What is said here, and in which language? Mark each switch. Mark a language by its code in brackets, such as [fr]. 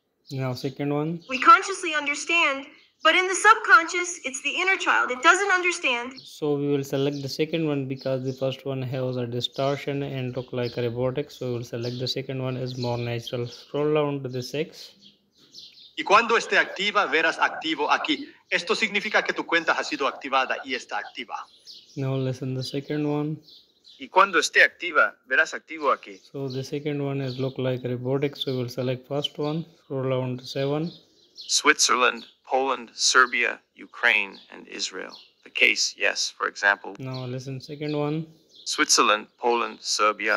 [en] Now second one. We consciously understand, but in the subconscious, it's the inner child, it doesn't understand. So we will select the second one because the first one has a distortion and look like a robotic. So we will select the second one is more natural. Scroll down to the 6. [es] Y cuando esté activa, verás activo aquí. Esto significa que tu cuenta ha sido activada y está activa. [en] Now listen to the second one. [es] Y cuando esté activa, verás activo aquí. [en] So the second one is look like a robotic. So we will select first one. Scroll down to 7. Switzerland. Poland, Serbia, Ukraine, and Israel. The case, yes, for example. Now listen, second one. Switzerland, Poland, Serbia,